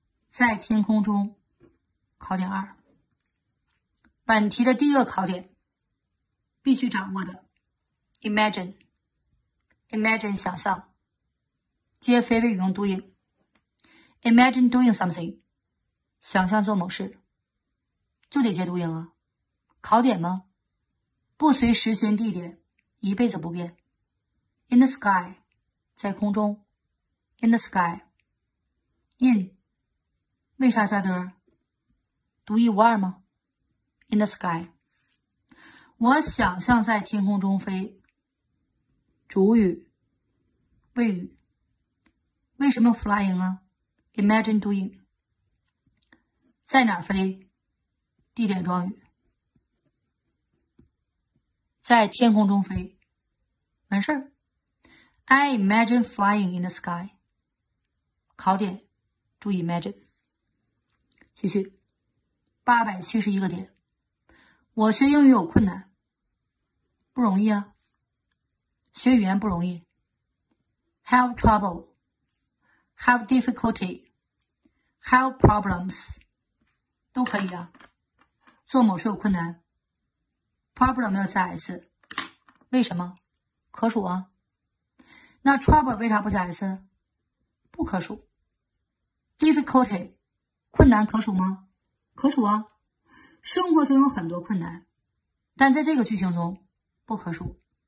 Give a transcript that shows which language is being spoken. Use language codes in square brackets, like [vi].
[zh] 在天空中，考点二。本题的第一个考点，必须掌握的 ，imagine 想象，接非谓语用 doing。 imagine doing something， 想象做某事，就得接 doing 啊。考点吗？不随时间地点，一辈子不变。 in the sky， 在空中。 in the sky。 in。 为啥加的？独一无二吗 ？In the sky， 我想象在天空中飞。主语，谓语，为什么 flying 啊 ？Imagine doing， 在哪飞？地点状语，在天空中飞，完事儿。 [en] I imagine flying in the sky。 [zh] 考点，注意 imagine。继续，871个点，我学英语有困难，不容易啊。学语言不容易，have trouble, have difficulty, have problems，都可以啊。做某事有困难，problem 要加 s，为什么？可数啊。那 trouble 为啥不加 s？不可数。 difficulty 困难可数吗？可数啊。生活总有很多困难，但在这个句型中不可数。